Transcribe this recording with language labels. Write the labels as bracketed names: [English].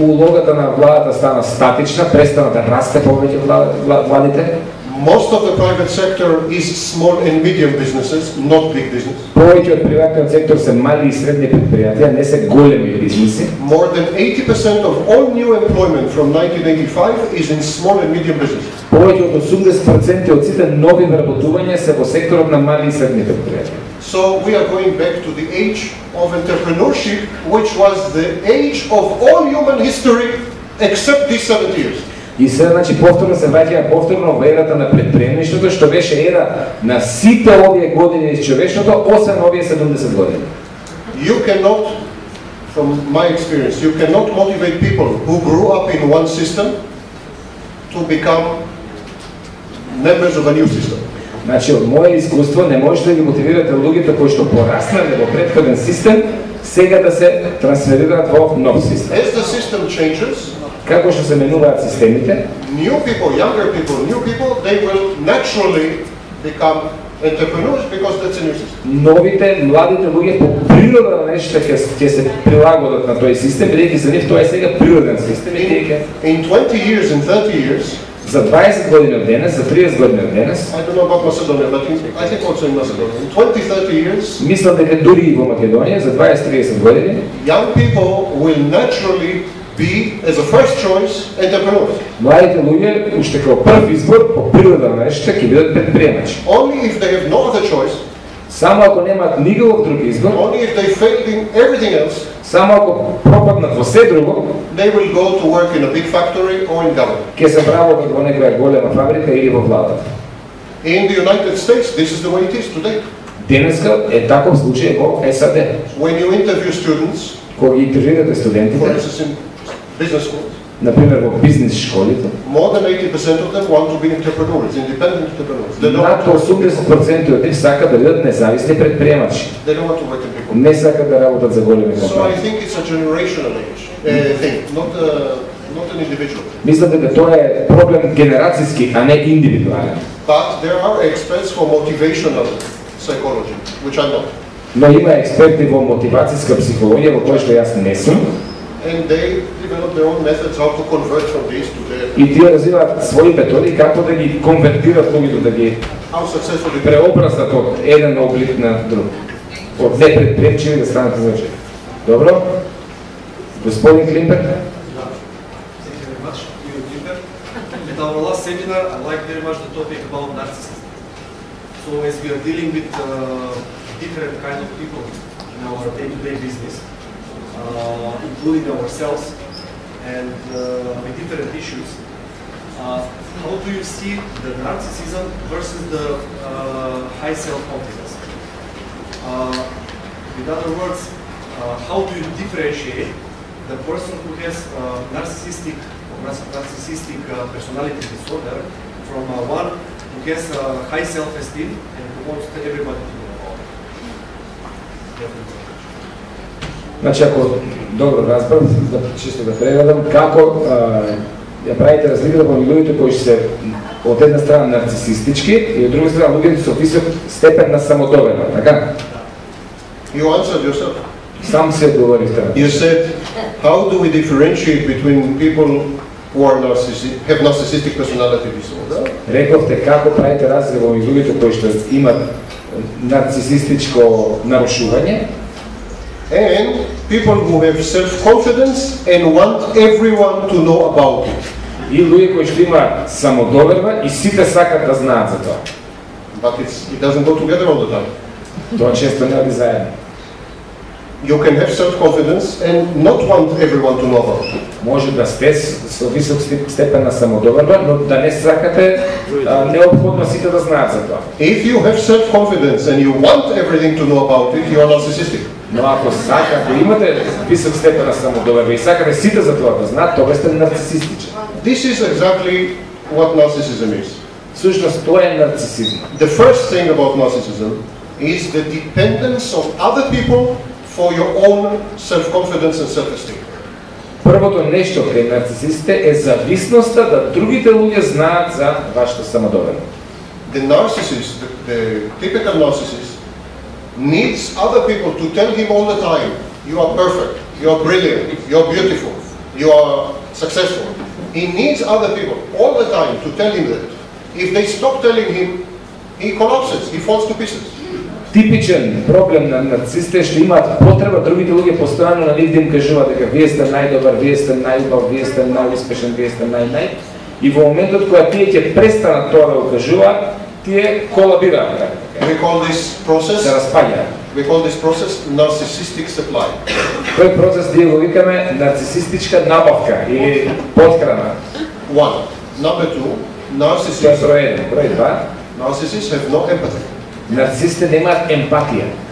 [Macedonian] Улогата на владата стана статична, престана да расте повеќе владите. [English] Most of the private sector is small and medium businesses, not big business. [Macedonian] Повеќе од приватниот сектор се мали и средни предпријатија, не се големи бизниси. [English] More than 80% of all new employment from 1985 is in small and medium businesses. [Macedonian] Повеќе од 80% од сите нови вработувања се во секторот на мали и средни предпријатија. [English] So we are going back to the age of entrepreneurship, which was the age of all human history except these 7 years. [Macedonian] И се, значи, повторно се враќаме повторно во ерата на предприемништвото, што беше ера на сите овие години из човештвото, освен овие 70 години. [English] You cannot, from my experience, you cannot motivate people who grew up in one system to become members of a new system. [Macedonian] Значи, од моја искуство, не можеш да ги мотивирате луѓето кои што пораснале во предходен систем, сега да се трансферираат во нов систем. [English] As the system changes, [Macedonian] како што се менуваат системите, [English] new people, younger people, new people, they will naturally become entrepreneurs because that's a new system. [Macedonian] Новите, младите луѓе по природа на нешто ќе се прилагодат на тој систем, бидејќи за нив тоа е сега природен систем. [English] In 20 years, in 30 years, [Macedonian] за 20 години од денес, за 30 години од денес. [English] I don't know about Macedonia, but I think also in Macedonia. In 20-30 years. [Macedonian] Мислам дека дури и во Македонија за 20-30 години. [English] Young people will naturally be as a first choice entrepreneurs. [Macedonian] Младите луѓе уште како прв избор по природа на нешто ќе бидат предприемачи. [English] Only if they have no other choice. [Macedonian] Само ако немаат никаков друг избор. [English] Only if they failed in everything else. [Macedonian] Само ако пропаднат во се друго. [English] They will go to work in a big factory or in government. [Macedonian] Ке се вработат во некоја голема фабрика или во влада. [English] In the United States, this is the way it is today. [Macedonian] Денеска е таков случај во САД. [English] When you interview students, [Macedonian] кога ги интервјуирате студентите, [English] for instance, in business schools, [Macedonian] например, во бизнес школите, [English] more than 80% of them want to be entrepreneurs, independent entrepreneurs. They don't want to work. [Macedonian] 80% од тие сака да бидат независни предприемачи. [English] They don't want to work in big companies. [Macedonian] Не сака да работат за големи компании. [English] So I think it's a generational age. Not an individual. [Macedonian] Мислам дека тоа е проблем генерацијски, а не индивидуален. [English] But there are experts for motivational psychology, which I'm not. [Macedonian] Но има експерти во мотивацијска психологија во кој што јас не сум. [English] And they develop their own methods how to convert from this to that. [Macedonian] И тие развиваат своји методи како да ги конвертираат луѓето да ги преобразат од еден облик на друг. Од непредприемчиви да станат значи. Добро? Господин Климпер? Да. [English] Thank you very much, Ио Климпер. At our last seminar, I like very much the topic about narcissism. So as we are dealing with different kind of people in our day-to-day business, including ourselves and with different issues, how do you see the narcissism versus the high self-confidence? With other words, how do you differentiate the person who has narcissistic or narcissistic personality disorder from one who has high self-esteem and who wants to everybody to know about it? [Macedonian] Значи, ако добро разбрав, да, чисто да преведам, како ја правите разликата во луѓето кои се од една страна нарцисистички и од друга страна луѓето со висок степен на самодовера, така? [English] You answered yourself. [Macedonian] Сам се одговорив така. [English] You said, how do we differentiate between people who are narcissistic, have narcissistic personality disorder? [Macedonian] Рековте како правите разлика меѓу луѓето кои што имаат нарцисистичко нарушување? [English] And people who have self-confidence and want everyone to know about it. [Macedonian] И луѓе кои што имаат самодоверба и сите сакат да знаат за тоа. [English] But it doesn't go together all the time. [Macedonian] Тоа често не оди заедно. [English] You can have self-confidence and not want everyone to know about it. [Macedonian] Може да сте со висок степен на самодоверба, но да не сакате неопходно сите да знаат за тоа. [English] If you have self-confidence and you want everything to know about it, you are narcissistic. [Macedonian] Но ако сакате, имате висок степен на самодоверба и сакате сите за тоа да знаат, тоа сте нарцисистичен. [English] This is exactly what narcissism is. [Macedonian] Всушност тоа е нарцисизм. [English] The first thing about narcissism is the dependence of other people for your own self-confidence and self-esteem. [Macedonian] Првото нешто кај нарцисистите е зависноста да другите луѓе знаат за вашата самодоверба. [English] The narcissist, the typical narcissist, needs other people to tell him all the time, you are perfect, you are brilliant, you are beautiful, you are successful. He needs other people all the time to tell him that. If they stop telling him, he collapses, he falls to pieces. [Macedonian] Типичен проблем на нарцисите е што имаат потреба другите луѓе постојано на нив да им кажуваат дека вие сте најдобар, вие сте најубав, вие сте најуспешен, вие сте најнај. И во моментот кога тие ќе престанат тоа да го кажуваат, тие колабираат. [English] We call this process. [Macedonian] Се распаѓаат. [English] We call this process narcissistic supply. [Macedonian] Кој процес ние го викаме нарцисистичка набавка или подхрана? [English] One. Number two. Narcissists. [Macedonian] Број два. [English] Narcissists have no empathy. [Macedonian] Нарцисите немаат емпатија.